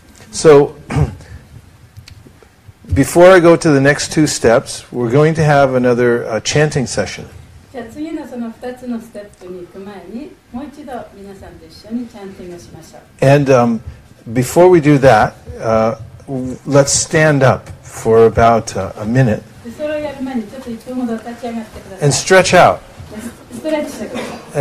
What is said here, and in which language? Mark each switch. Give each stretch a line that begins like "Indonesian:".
English: So, before I go to the next two steps, we're going to have another chanting session.
Japanese: じゃあ次のその2つのステップに行く前にもう一度皆さんと一緒にチャンティングしましょう。
English: And before we do that, let's stand up for about a minute.
Japanese: でそれをやる前にちょっと1分ほど立ち上がってください。
English: And stretch out.
Japanese: ストレッチしてください。